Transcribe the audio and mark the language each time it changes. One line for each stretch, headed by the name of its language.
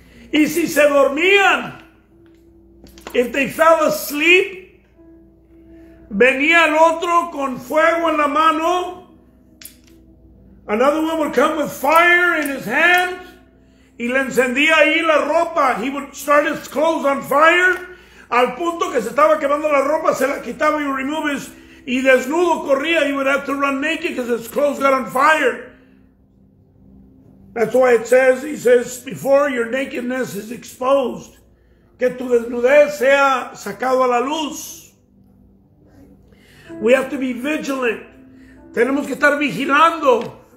Spanish: Y si se dormían,
English: if they fell asleep,
Spanish: venía el otro con fuego en la mano.
English: Another one would come with fire in his hand.
Spanish: Y le encendía ahí la ropa.
English: He would start his clothes on fire.
Spanish: Al punto que se estaba quemando la ropa, se la quitaba y
English: remove his.
Spanish: Y desnudo corría.
English: He would have to run naked because his clothes got on fire. That's why it says, he says, before your nakedness is exposed,
Spanish: que tu desnudez sea sacado a la luz.
English: We have to be vigilant.
Spanish: Tenemos que estar vigilando.